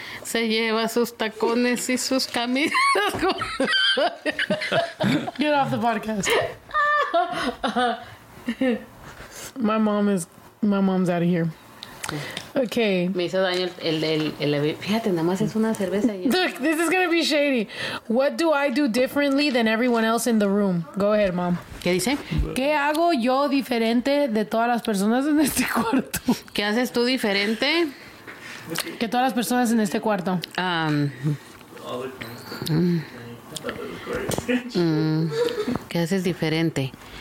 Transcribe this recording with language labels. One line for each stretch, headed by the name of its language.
Spanish: se lleva sus tacones y sus camisas.
English: Get off the podcast. My mom's out of here. Okay.
Spanish: Me hizo daño el fíjate, nada más es una cerveza.
English: Look, this is gonna be shady. What do I do differently than everyone else in the room? Go ahead, mom.
Spanish: ¿Qué dice? ¿Qué hago yo diferente de todas las personas en este cuarto? ¿Qué haces tú diferente? Que todas las personas en este cuarto. ¿Qué haces diferente?